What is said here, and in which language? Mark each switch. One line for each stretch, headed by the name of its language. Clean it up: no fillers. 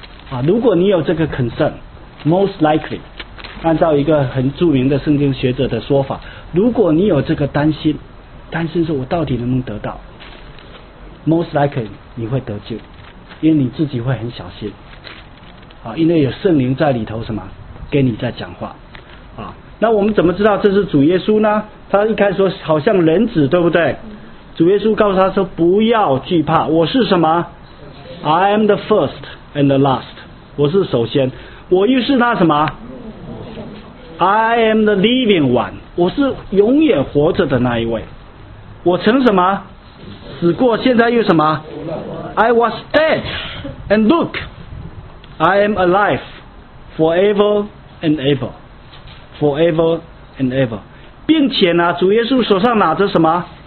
Chinese: 啊，如果你有这个 concern，
English: most likely，
Chinese: 按照一个很著名的圣经学者的说法，如果你有这个担心，担心说我到底能不能得到， most likely 你会得救，因为你自己会很小心，啊，因为有圣灵在里头什么，跟你在讲话，啊，那我们怎么知道这是主耶稣呢？他一开始说好像人子，对不对？主耶稣告诉他说不要惧怕，我是什么？
English: I am the first and the last，
Chinese: 我是首先，我又是那什么？
English: I am the living one，
Chinese: 我是永远活着的那一位，我曾什么？死过，现在又什么？
English: I was dead and look I am alive forever and ever forever and ever，
Chinese: 并且呢，主耶稣手上拿着什么？